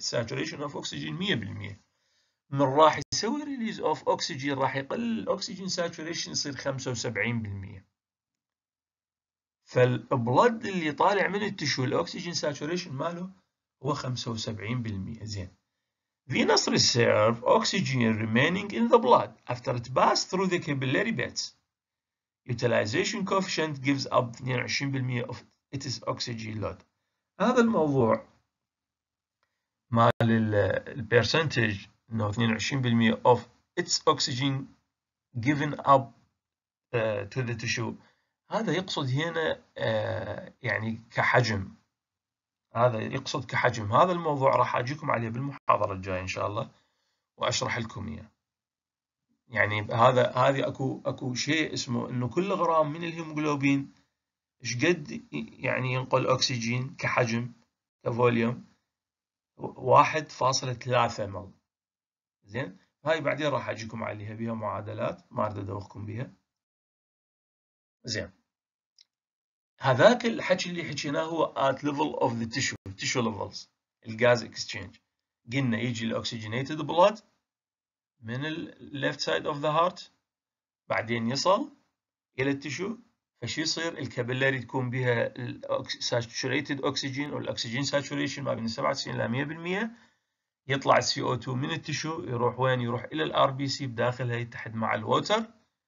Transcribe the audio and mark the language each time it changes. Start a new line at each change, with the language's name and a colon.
Arabic: ساتوريشن اوف اكسجين 100%. من راح يسوي ريليز اوف اكسجين راح يقل الاكسجين ساتوريشن يصير 75%. فالبلد اللي طالع من التشو الاكسجين ساتوريشن ماله هو 75%. زين
English: venous reserve oxygen remaining in the blood after it passed through the capillary beds utilization coefficient gives up 22% of its oxygen load.
Arabic: هذا الموضوع مال ال percentage انه
English: 22% of its oxygen given up to the tissue،
Arabic: هذا يقصد هنا يعني كحجم، هذا يقصد كحجم. هذا الموضوع راح اجيكم عليه بالمحاضره الجايه ان شاء الله واشرح لكم اياه. يعني هذا هذه اكو شيء اسمه انه كل غرام من الهيموغلوبين ايش قد يعني ينقل اكسجين كحجم كفوليوم 1.3 مل. زين هاي بعدين راح اجيكم عليها بها معادلات ما اريد ادوخكم بها. زين هذاك الحكي اللي حكيناه هو
English: at level of the tissue، tissue levels،
Arabic: الغاز exchange. قلنا يجي ال oxygenated blood من ال
English: left side of the heart،
Arabic: بعدين يصل إلى التissue، فشو يصير؟ الكابيلاري تكون بها ال saturated oxygen أو ال oxygen saturation ما بين 97 إلى 100%، يطلع ال CO2 من التissue، يروح وين؟ يروح إلى ال RBC بداخلها يتحد مع ال water.